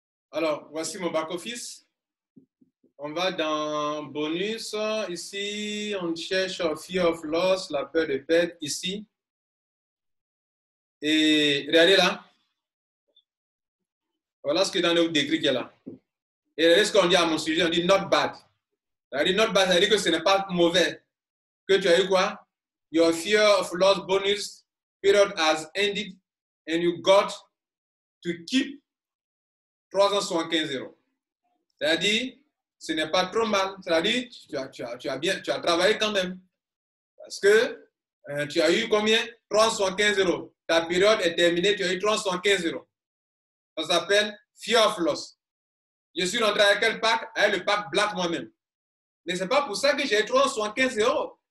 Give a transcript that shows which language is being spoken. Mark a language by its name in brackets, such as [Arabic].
[French] Alors, voici mon back-office. On va dans bonus. Ici, on cherche Fear of Loss, la peur de perdre. Ici, Et regardez là. Voilà ce que dans le décrit qu'il y a là. Et regardez ce qu'on dit à mon sujet. On dit [English] not bad. [French] Ça dit [English] not bad, [French] ça veut dire que ce n'est pas mauvais. Que tu as eu quoi? [English] Your fear of loss bonus period has ended and you got to keep 375 €. [French] C'est-à-dire, ce n'est pas trop mal. C'est-à-dire, tu as travaillé quand même. Parce que tu as eu combien? 375 €. Ta période est terminée, tu as eu 375 €. Ça s'appelle fear of loss. Je suis rentré avec quel pack? Avec le pack black moi-même. Mais ce n'est pas pour ça que j'ai eu 375 €.